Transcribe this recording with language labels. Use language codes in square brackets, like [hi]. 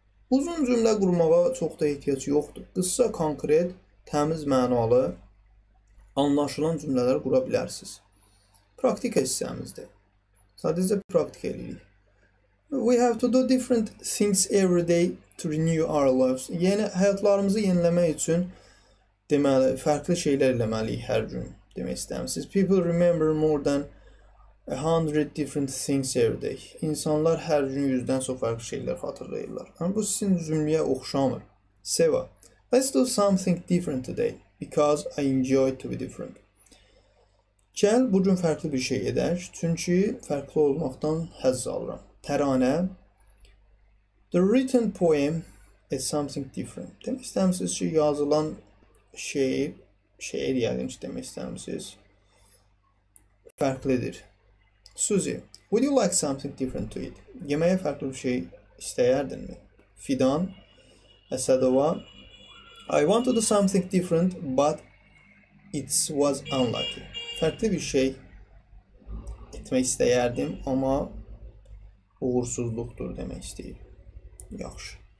[az] Uzun cümlə qurmağa çox da ehtiyac yoxdur. Qısa, konkret, təmiz mənalı, anlaşılan cümlələr qura bilərsiniz. Praktika hissəmizdir. Sadəcə praktika eləyirik. [en] We have to do different things every day to renew our lives. [az] Yəni, həyatlarımızı yeniləmək üçün deməli, fərqli şeylər eləməliyik hər gün, demək istəyirsiniz. [en] People remember more than 100 different things every day. [az] İnsanlar hər gün 100-dən çox fərqli şeylər xatırlayırlar. Yəni, bu sizin cümləyə oxşamır. [en] Seva, let's do something different today because I enjoy to be different. [az] Gəl, bugün fərqli bir şey edək, çünki fərqli olmaqdan həzz alıram. [en] Təranə, the written poem is something different. [az] Demək istəyirsiniz ki, yazılan şeir yəqin ki, demək istəyirsiniz, fərqlidir. [en] Suzy, would you like something different to eat? [az] Yeməyə fərqli bir şey istəyərdinmi? [en] Fidan, Əsədova, I want to do something different, but it was unlucky. [az] Fərqli bir şey etmək istəyərdim, amma uğursuzluqdur demək istəyir. Yaxşı.